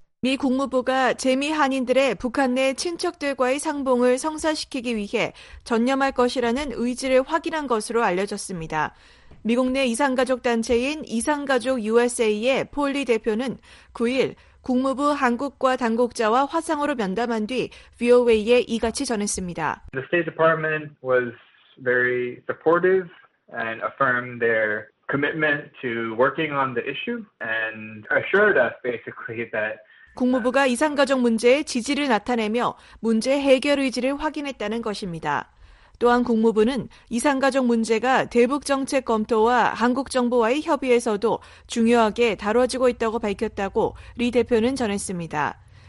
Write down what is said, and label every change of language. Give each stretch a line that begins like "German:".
Korean: 미 국무부가 재미 한인들의 북한 내 친척들과의 상봉을 성사시키기 위해 전념할 것이라는 의지를 확인한 것으로 알려졌습니다. 미국 내 이산가족 단체인 이산가족 USA의 폴리 대표는 9일 국무부 한국과 당국자와 화상으로 면담한 뒤 VOA에 이같이 전했습니다.
English: The State Department was very supportive and affirmed their commitment to working on the issue and assured us basically that
Korean: 국무부가 이산가족 문제에 지지를 나타내며 문제 해결 의지를 확인했다는 것입니다. 또한 국무부는 이산가족 문제가 대북정책 검토와 한국 정부와의 협의에서도 중요하게 다뤄지고 있다고 밝혔다고 리 대표는 전했습니다.